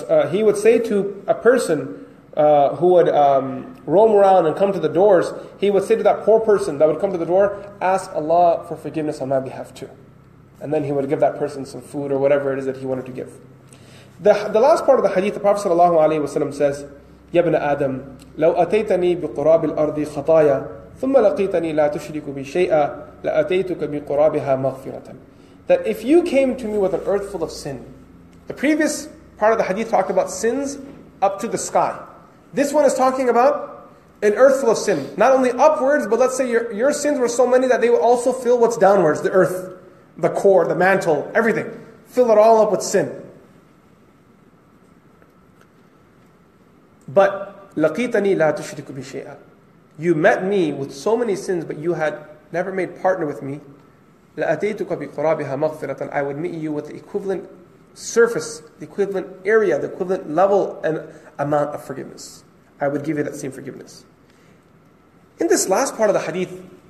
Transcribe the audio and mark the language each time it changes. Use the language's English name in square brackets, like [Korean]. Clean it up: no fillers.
[English] He would say to a person who would roam around and come to the doors, he would say to that poor person that would come to the door, ask Allah for forgiveness on my behalf too. And then he would give that person some food or whatever it is that he wanted to give. The last part of the hadith, the Prophet sallallahu alaihi wasallam says, [Arabic] يا ابن آدم لو أتيتني بقراب الأرض خطايا ثم لقيتني لا تشرك بي شيئا لأتيتك بقرابها مغفرة. [English] That if you came to me with an earth full of sin, the previous part of the hadith talked about sins up to the sky. This one is talking about an earth full of sin. Not only upwards, but let's say your sins were so many that they will also fill what's downwards, the earth, the core, the mantle, everything. Fill it all up with sin. [Arabic] But لقيتني لا تشرك بي شيئا. [English] You met me with so many sins, but you had never made partner with me. [Arabic] لَأَتَيْتُكَ بِقُرَابِهَا مَغْفِرَةً. [English] I would meet you with the equivalent surface, the equivalent area, the equivalent level and amount of forgiveness. I would give you that same forgiveness. In this last part of the hadith,